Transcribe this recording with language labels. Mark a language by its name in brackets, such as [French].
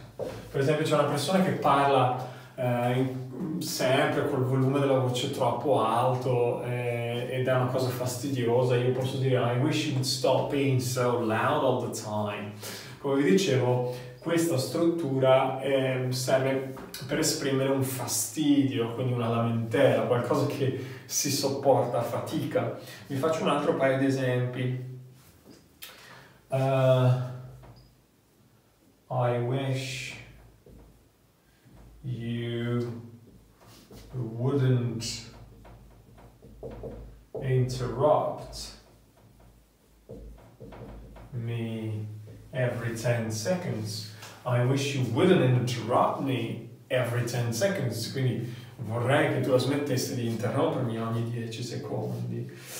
[Italian] Per esempio, c'è una persona che parla sempre col volume della voce troppo alto ed è una cosa fastidiosa. Io posso dire [English] I wish you would stop being so loud all the time. [Italian] Come vi dicevo, questa struttura serve per esprimere un fastidio, quindi una lamentela, qualcosa che si sopporta a fatica. Vi faccio un altro paio di esempi. [English] I wish you wouldn't interrupt me every 10 seconds. I wish you wouldn't interrupt me every 10 seconds. [Italian] Quindi vorrei che tu la smettessi di interrompermi ogni 10 secondi.